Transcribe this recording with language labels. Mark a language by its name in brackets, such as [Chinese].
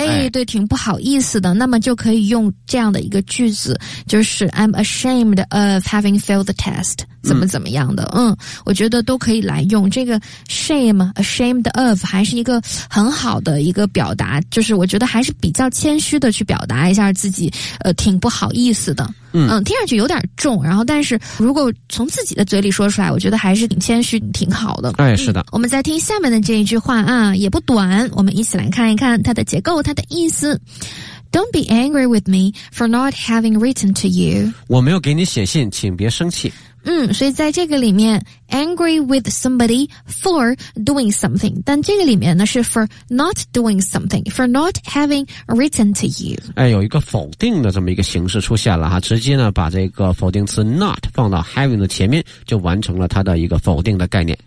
[Chinese] 哎，对，挺不好意思的。那么就可以用这样的一个句子，就是 [English] I'm ashamed of having failed the test， [Chinese] 怎么怎么样的，嗯，我觉得都可以来用这个 shame， [English] ashamed of， [Chinese] 还是一个很好的一个表达，就是我觉得还是比较谦虚的去表达一下自己，挺不好意思的。嗯，听上去有点重，然后但是如果从自己的嘴里说出来，我觉得还是挺谦虚挺好的。哎，是的、嗯、我们再听下面的这一句话啊，也不短，我们一起来看一看它的结构它的意思。 [English] Don't be angry with me for not having written to you。 [Chinese] 我没有给你写信，请别生气。嗯，所以在这个里面 [English] angry with somebody for doing something， [Chinese] 但这个里面呢是 [English] for not doing something， for not having written to you。 [Chinese] 哎，有一个否定的这么一个形式出现了哈，直接呢把这个否定词 not 放到 having 的前面，就完成了它的一个否定的概念。